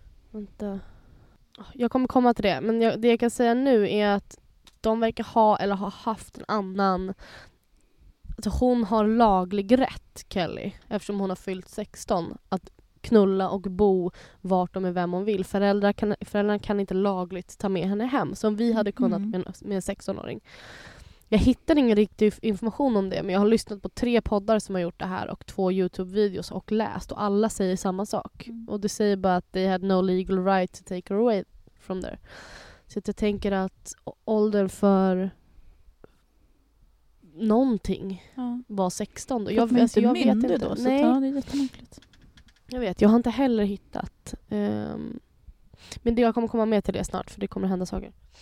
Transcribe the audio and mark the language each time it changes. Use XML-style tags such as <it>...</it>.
<sv>Vänta. Jag kommer komma till det, men det jag kan säga nu är att de verkar ha eller har haft en annan, alltså hon har laglig rätt, Kelly, eftersom hon har fyllt 16, att knulla och bo vart de är vem hon vill. Föräldrarna kan inte lagligt ta med henne hem, som vi hade kunnat med en 16-åring. Jag hittar ingen riktig information om det, men jag har lyssnat på 3 poddar som har gjort det här och 2 YouTube-videos och läst, och alla säger samma sak. Mm. Och det säger bara att</sv> <en>they had no legal right to take her away from there.</en> <sv>Så att jag tänker att åldern för någonting var 16. Och jag vet inte. Mindre då? Nej. Så det är jättemärkligt. Jag vet, jag har inte heller hittat. Men jag kommer komma med till det snart, för det kommer hända saker.</sv>